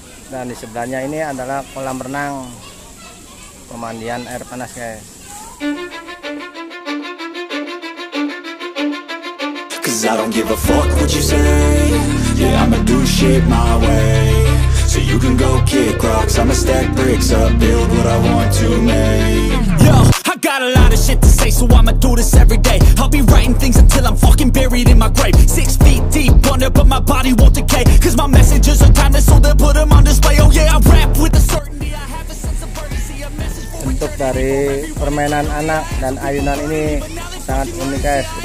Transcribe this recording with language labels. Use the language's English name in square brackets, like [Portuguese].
[Indonesian] Dan di sebelahnya ini adalah kolam renang pemandian air panas, guys. [English] Cause I don't give a fuck what you say. Yeah, I'ma do shit my way. So you can go kick rocks, I'ma stack bricks up, build what I want to make. Yo, I got a lot of shit to say, so I'ma do this every day. I'll be writing things until I'm fucking buried in my grave. 6 feet deep under, but my body won't decay. Cause my messages are timeless, so they'll put them on display. Oh yeah, I rap with a certainty. I have a sense of urgency, a message for. [Indonesian] Untuk dari permainan anak dan ayunan ini sangat unik, guys.